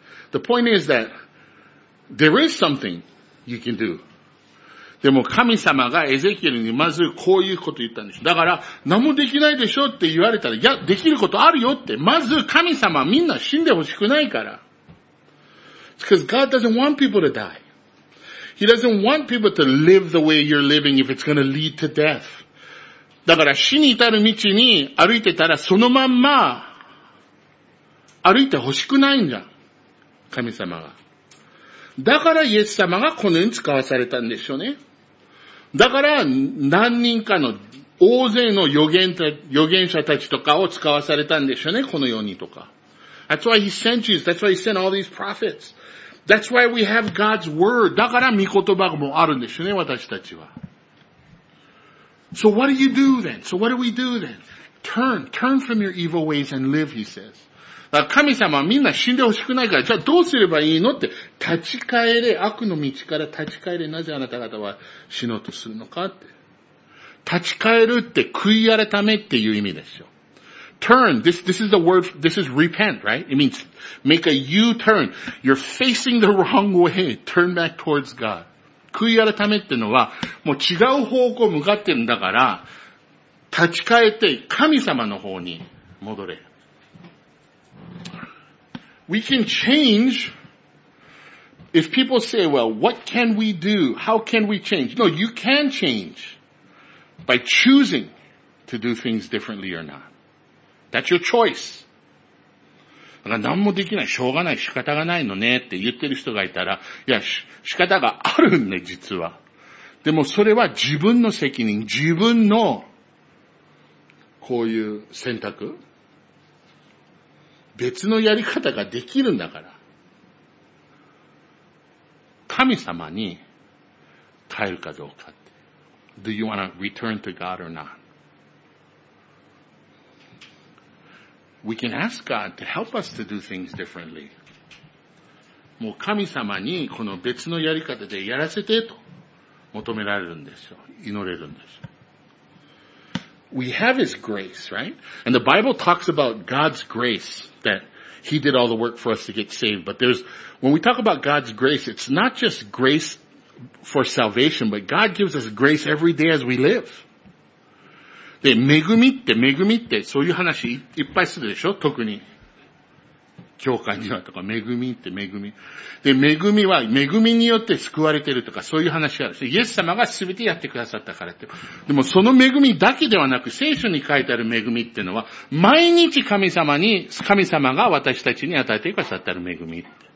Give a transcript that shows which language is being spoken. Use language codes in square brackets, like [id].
[en] The point is that there is something you can do. [ja] でも神様がエゼキエルにまずこういうこと言ったんでしょ。だから何もできないでしょって言われたら、いや、できることあるよって。まず神様みんな死んでほしくないから。 [en] It's because God doesn't want people to die. He doesn't want people to live the way you're living if it's going to lead to death. [ja] だから死に至る道に歩いてたらそのまんま歩いて欲しくないんじゃん。神様が。だからイエス様がこの世に使わされたんでしょうね。だから何人かの大勢の預言者たちとかを使わされたんでしょうね。この世にとか。 [en] That's why he sent you. That's why he sent all these prophets. That's why we have God's word. [ja] だから御言葉もあるんでしょうね。私たちは。 [en] So what do you do then? So what do we do then? Turn from your evil ways and live, he says. [ja] 神様はみんな死んでほしくないから、じゃあどうすればいいのって、立ち返れ、悪の道から立ち返れ、なぜあなた方は死のうとするのかって。立ち返るって悔い改めっていう意味ですよ。 [en] Turn, this is the word, this is repent, right? It means make a U-turn. You're facing the wrong way. Turn back towards God. [ja] 悔い改めっていうのは、もう違う方向を向かってるんだから、立ち返って神様の方に戻れ。 [en] We can change if people say, well, what can we do? How can we change? No, you can change by choosing to do things differently or not. That's your choice. [ja] だから何もできない、しょうがない、仕方がないのねって言ってる人がいたら、いや、仕方があるんね、実は。でもそれは自分の責任、自分の、こういう選択。別のやり方ができるんだから。神様に帰るかどうかって。 [en] Do you want to return to God or not? We can ask God to help us to do things differently. [ja] もう神様にこの別のやり方でやらせてと求められるんですよ。祈れるんです。 [en] We have His grace, right? And the Bible talks about God's grace, that He did all the work for us to get saved. But there's, when we talk about God's grace, it's not just grace for salvation, but God gives us grace every day as we live. [ja] で、恵みって、そういう話いっぱいするでしょ、特に。教会にはとか、恵みって恵み。で、恵みは、恵みによって救われてるとか、そういう話があるし、イエス様が全てやってくださったからって。でも、その恵みだけではなく、聖書に書いてある恵みっていうのは、毎日神様が私たちに与えてくださってる恵みって。